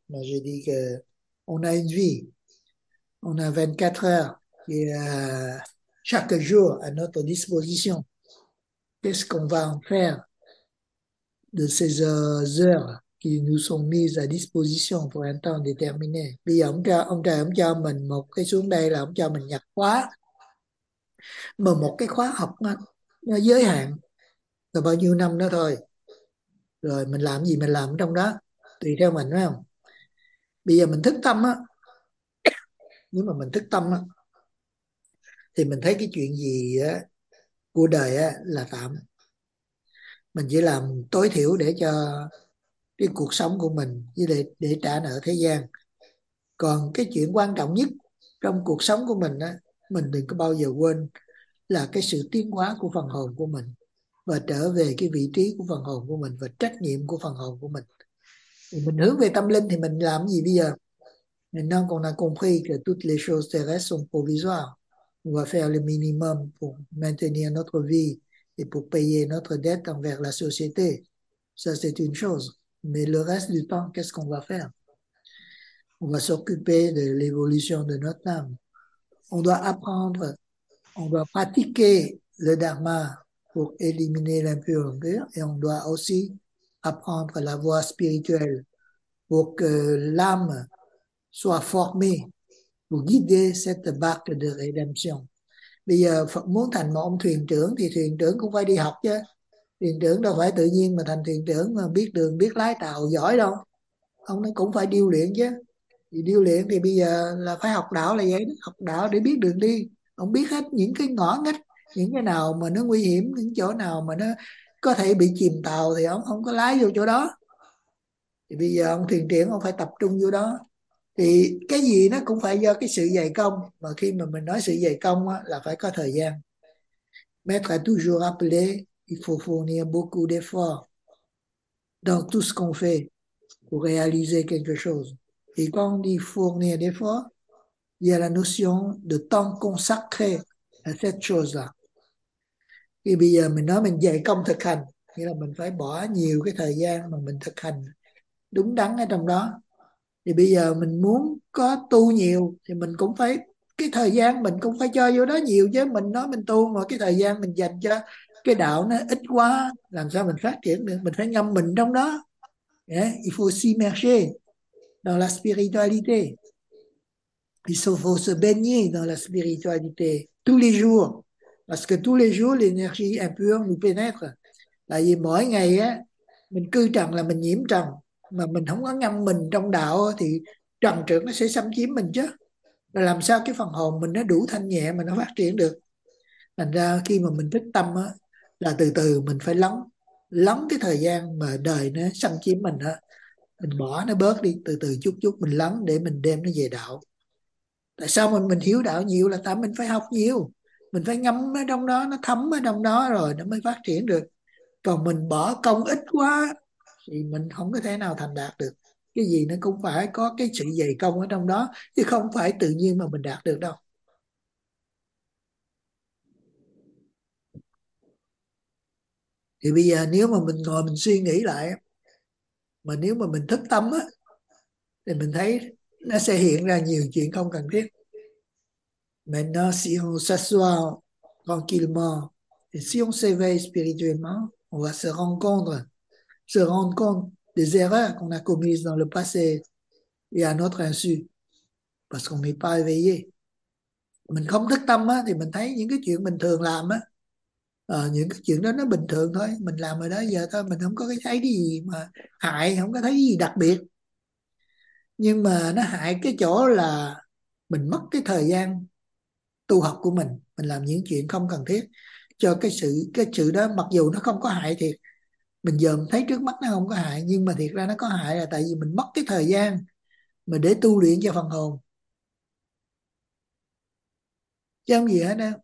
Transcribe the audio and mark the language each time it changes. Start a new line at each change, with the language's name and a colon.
French: Moi je dis que on a une vie, on a 24 heures et chaque jour à notre disposition. Qu'est-ce qu'on va en faire de ces heures qui nous sont mises à disposition pour un temps déterminé?
Vietnamese: Bây giờ ông trời ông cho mình một cái xuống đây là ông cho mình nhập khóa, mà một cái khóa học nó giới hạn là bao nhiêu năm đó thôi, rồi mình làm gì mình làm trong đó tùy theo mình, phải không? Bây giờ mình thức tâm á, nếu mà mình thức tâm á thì mình thấy cái chuyện gì á của đời á là tạm, mình chỉ làm tối thiểu để cho cái cuộc sống của mình, với để trả nợ thế gian. Còn cái chuyện quan trọng nhất trong cuộc sống của mình á, mình đừng có bao giờ quên là cái sự tiến hóa của phần hồn của mình, và trở về cái vị trí của phần hồn của mình và trách nhiệm của phần hồn của mình. Thì mình hướng về tâm linh thì mình làm gì bây giờ?
French: Maintenant qu'on a compris que toutes les choses terrestres sont provisoires, on va faire le minimum pour maintenir notre vie et pour payer notre dette envers la société. Ça, c'est une chose. Mais le reste du temps, qu'est-ce qu'on va faire? On va s'occuper de l'évolution de notre âme. On doit apprendre, on doit pratiquer le dharma pour éliminer l'impureté, et on doit aussi apprendre la voie spirituelle pour que l'âme soit formée Vous guidez cette barque de rédemption.
Vietnamese: Bây giờ Phật muốn thành một ông thuyền trưởng thì thuyền trưởng cũng phải đi học chứ. Thuyền trưởng đâu phải tự nhiên mà thành thuyền trưởng mà biết đường, biết lái tàu giỏi đâu. Ông nó cũng phải điêu luyện chứ. Thì điêu luyện thì bây giờ là phải học đạo là vậy đó. Học đạo để biết đường đi. Ông biết hết những cái ngõ ngách, những cái nào mà nó nguy hiểm, những chỗ nào mà nó có thể bị chìm tàu thì ông không có lái vô chỗ đó. Thì bây giờ ông thuyền trưởng ông phải tập trung vô đó. Thì cái gì nó cũng phải do cái sự dày công. Mà khi mà mình nói sự dày công á, là phải có thời gian.
French: Mais phải toujours rappeler, il faut fournir beaucoup d'efforts dans tout ce qu'on fait pour réaliser quelque chose. Et quand on dit fournir des efforts, il y a la notion de temps consacré à cette chose-là.
Vietnamese: Et bây giờ mình nói mình dày công thực hành, nghĩa là mình phải bỏ nhiều cái thời gian mà mình thực hành đúng đắn ở trong đó. Thì bây giờ mình muốn có tu nhiều thì mình cũng phải cái thời gian mình cũng phải cho vô đó nhiều chứ, mình nói mình tu mà cái thời gian mình dành cho cái đạo nó ít quá làm sao mình phát triển được, mình phải ngâm mình trong đó.
French: Il faut s'immerger dans la spiritualité. Il faut se baigner dans la spiritualité tous les jours. Parce que tous les jours, l'énergie impure nous pénètre.
Vietnamese: Tại vì mỗi ngày á, mình cư trần là mình nhiễm trần. Mà mình không có ngâm mình trong đạo thì trần trược nó sẽ xâm chiếm mình chứ. Rồi làm sao cái phần hồn mình nó đủ thanh nhẹ mà nó phát triển được. Thành ra khi mà mình thức tâm á, là từ từ mình phải lắng. Lắng cái thời gian mà đời nó xâm chiếm mình á. Mình bỏ nó bớt đi. Từ từ chút chút mình lắng để mình đem nó về đạo. Tại sao mình hiểu đạo nhiều là tại mình phải học nhiều. Mình phải ngâm nó trong đó, nó thấm ở trong đó rồi nó mới phát triển được. Còn mình bỏ công ít quá thì mình không có thể nào thành đạt được. Cái gì nó cũng phải có cái sự dày công ở trong đó chứ không phải tự nhiên mà mình đạt được đâu. Thì bây giờ nếu mà mình ngồi mình suy nghĩ lại, mà nếu mà mình thức tâm á, thì mình thấy nó sẽ hiện ra nhiều chuyện không cần thiết.
French: Maintenant, si on s'assoit tranquillement, et si on s'éveille spirituellement, on va se rendre compte des erreurs qu'on a commises dans le passé et à notre insu, parce qu'on n'est pas éveillé.
Vietnamese: Mình không thức tâm á, thì mình thấy những cái chuyện mình thường làm á, những cái chuyện đó nó bình thường thôi, mình làm ở đó giờ thôi, mình không có thấy cái gì mà hại, không có thấy cái gì đặc biệt. Nhưng mà nó hại cái chỗ là mình mất cái thời gian tu học của mình làm những chuyện không cần thiết cho cái sự đó, mặc dù nó không có hại thiệt, mình giờ mình thấy trước mắt nó không có hại, nhưng mà thiệt ra nó có hại là tại vì mình mất cái thời gian mà để tu luyện cho phần hồn chứ không gì hết đó.